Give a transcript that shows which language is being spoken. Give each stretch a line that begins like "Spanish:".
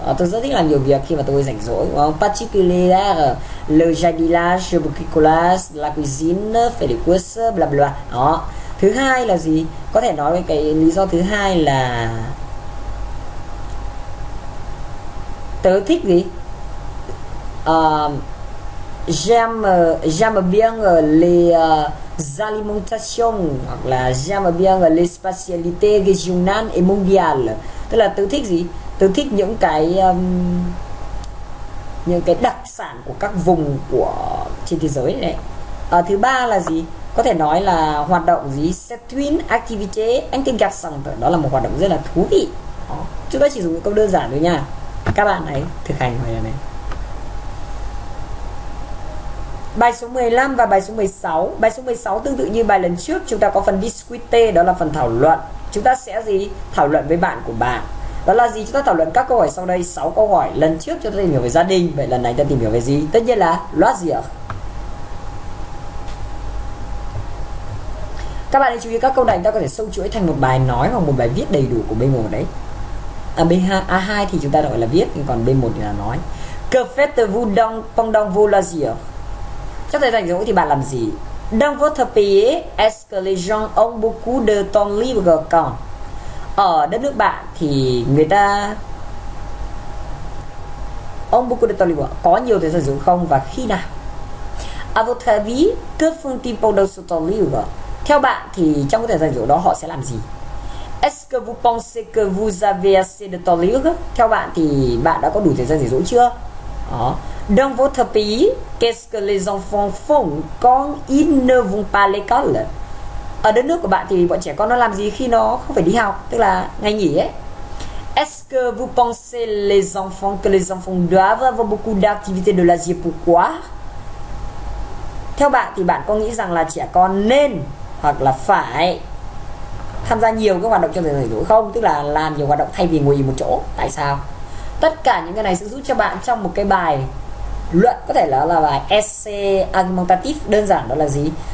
Vietnamese: Tôi rất thích làm nhiều việc khi mà tôi rảnh rỗi.
French: Particulier le jardinage, le bricolage, la cuisine, faire les courses,
Vietnamese: bla bla. Đó. Thứ hai là gì? Có thể nói cái lý do thứ hai là tớ thích gì?
French: J'aime bien les alimentations
Vietnamese: hoặc là
French: j'aime bien les spécialités régionales et mondiales.
Vietnamese: Tức là tớ thích gì? Tớ thích những cái đặc sản của các vùng của trên thế giới này. Thứ ba là gì? Có thể nói là hoạt động gì?
French: C'est une activité intéressante.
Vietnamese: Đó là một hoạt động rất là thú vị. Đó. Chúng ta chỉ dùng những câu đơn giản thôi nha. Các bạn hãy thực hành bài này. Bài số 15 và bài số 16. Bài số 16 tương tự như bài lần trước, chúng ta có phần discuter, đó là phần thảo luận. Chúng ta sẽ gì? Thảo luận với bạn của bạn. Đó là gì? Chúng ta thảo luận các câu hỏi sau đây, 6 câu hỏi. Lần trước chúng ta tìm hiểu về gia đình, vậy lần này ta tìm hiểu về gì? Tất nhiên là loisir. Các bạn hãy chú ý các câu này, chúng ta có thể sâu chuỗi thành một bài nói hoặc một bài viết đầy đủ của B1 đấy. A2 thì chúng ta gọi là viết, nhưng còn B1 thì là nói.
French: Que faites-vous pendant vos loisirs?
Vietnamese: Trong thời gian rỗi thì bạn làm gì?
French: Dans votre pays, est-ce que les gens ont beaucoup de temps libre quand?
Vietnamese: Ở đất nước bạn thì người ta ông
French: beaucoup de temps libre
Vietnamese: có nhiều thời gian rỗi không và khi nào?
French: À votre avis, que font-ils pendant ce temps libre?
Vietnamese: Theo bạn thì trong cái thời gian rỗi đó họ sẽ làm gì?
French: Est-ce que vous pensez que vous avez assez de temps libre?
Vietnamese: Theo bạn thì bạn đã có đủ thời gian rảnh rỗi chưa? Đó.
French: Dans votre pays, qu'est-ce que les enfants font quand ils ne vont pas à l'école?
Vietnamese: Ở đất nước của bạn thì bọn trẻ con nó làm gì khi nó không phải đi học, tức là ngày nghỉ ấy?
French: Est-ce que vous pensez que les enfants doivent avoir beaucoup d'activités de loisirs pourquoi?
Vietnamese: Theo bạn thì bạn có nghĩ rằng là trẻ con nên hoặc là phải tham gia nhiều các hoạt động trong thời gian rảnh rỗi không, tức là làm nhiều hoạt động thay vì ngồi một chỗ, tại sao? Tất cả những cái này sẽ giúp cho bạn trong một cái bài luận, có thể là bài essay argumentative đơn giản, đó là gì?